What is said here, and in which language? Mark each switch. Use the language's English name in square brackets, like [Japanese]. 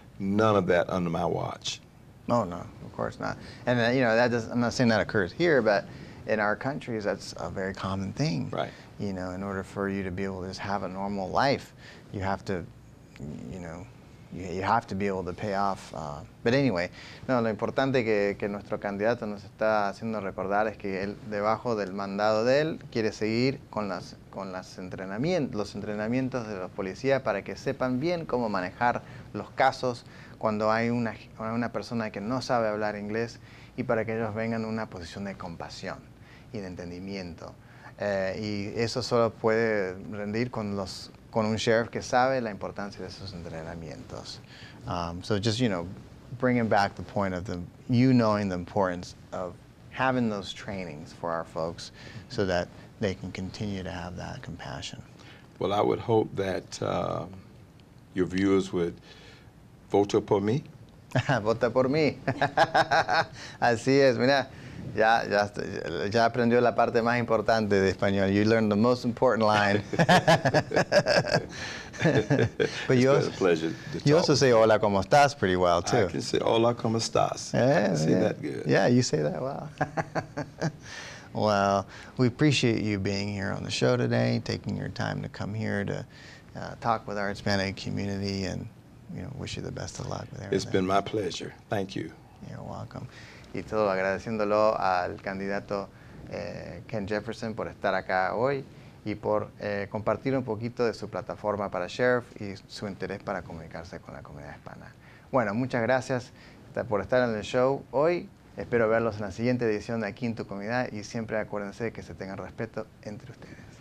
[English] None of that under my watch. Oh, no, of course not. And, you know, that does, I'm not saying that occurs here, but in our countries, that's a very common thing. Right. You know, in order for you to be able to just have a normal life, you have to, you know, you have to be able to pay off. But anyway, [Spanish] no, lo importante que nuestro candidato nos está haciendo recordar es que él, debajo del mandado de él, quiere seguir los entrenamientos de los policías para que sepan bien cómo manejar los casos cuando hay una persona que no sabe hablar inglés, y para que ellos vengan en una posición de compasión y de entendimiento. Y eso solo puede rendir con un sheriff que sabe la importancia de esos entrenamientos. [English] So just, you know, bringing back the point of you knowing the importance of having those trainings for our folks so that they can continue to have that compassion. Well, I would hope that your viewers would vote up for me [Spanish] Vota por mí. Así es, mira, ya aprendió la parte más importante de español. [English] You learned the most important line. But it's been a pleasure to talk. You also say [Spanish] hola, ¿cómo estás? [English] Pretty well, too. I can say [Spanish] hola, ¿cómo estás? [English] That good. Yeah, you say that well. Well, we appreciate you being here on the show today, taking your time to come here to talk with our Hispanic community, and you know, wish you the best of luck with everything. It's been my pleasure. Thank you. You're welcome. [Spanish] Y todo agradeciéndolo al candidato Ken Jefferson por estar acá hoy y por compartir un poquito de su plataforma para Sheriff y su interés para comunicarse con la comunidad hispana. Bueno, muchas gracias por estar en el show hoy. Espero verlos en la siguiente edición de Aquí en tu Comunidad y siempre acuérdense que se tengan respeto entre ustedes.